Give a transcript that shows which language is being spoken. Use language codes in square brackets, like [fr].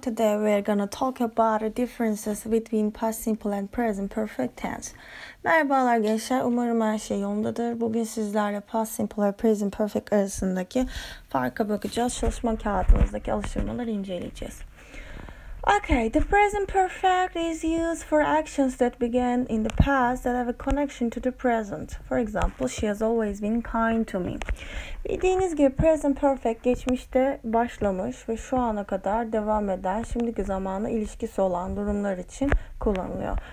[en] Today we're gonna talk about the differences between past simple and present perfect tense. [tr] Merhabalar gençler, umarım her şey yolundadır. Bugün sizlerle past simple ve present perfect arasındaki farka bakacağız. Çalışma kağıdımızdaki alıştırmaları inceleyeceğiz. [en] Okay, the present perfect is used for actions that began in the past that have a connection to the present. For example, she has always been kind to me. [tr] Bildiğiniz gibi present perfect geçmişte başlamış ve şu ana kadar devam eden şimdiki zamana ilişkisi olan durumlar için kullanılıyor.